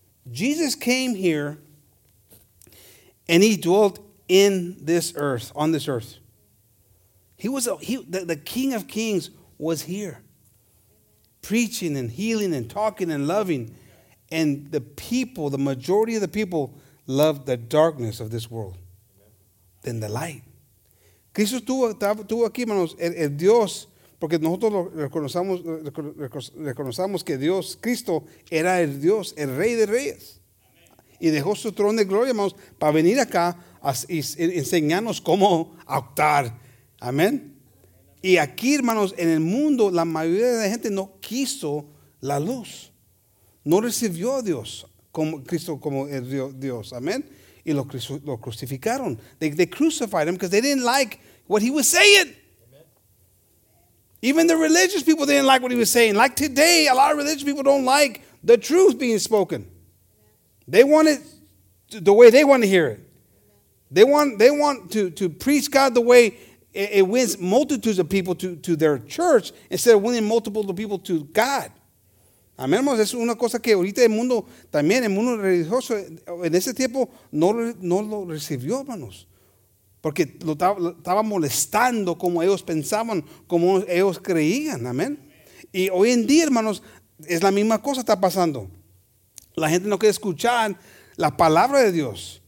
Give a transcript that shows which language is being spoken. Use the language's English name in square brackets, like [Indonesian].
[English] Jesus came here, and he dwelt in this earth, on this earth. The King of Kings was here, preaching and healing and talking and loving. And the people, the majority of the people, loved the darkness of this world than the light. [Spanish] Cristo estuvo aquí, hermanos, el Dios, porque nosotros reconocemos que Dios, Cristo, era el Dios, el Rey de Reyes. Y dejó su trono de gloria, hermanos, para venir acá y enseñarnos cómo actuar. Amén. Y aquí, hermanos, en el mundo, la mayoría de la gente no quiso la luz. No recibió a Dios como Cristo, como el Dios. Amén. Y lo crucificaron. [English] They crucified him because they didn't like what he was saying. Even the religious people didn't like what he was saying. Like today, a lot of religious people don't like the truth being spoken. They want it the way they want to hear it. They want to preach God the way it wins multitudes of people to their church instead of winning multiple people to God. [Spanish] Amén, hermanos, es una cosa que ahorita el mundo, también el mundo religioso, en ese tiempo no lo recibió, hermanos. Porque lo estaba molestando como ellos pensaban, como ellos creían. Amén. Y hoy en día, hermanos, es la misma cosa está pasando. La gente no quiere escuchar la palabra de Dios.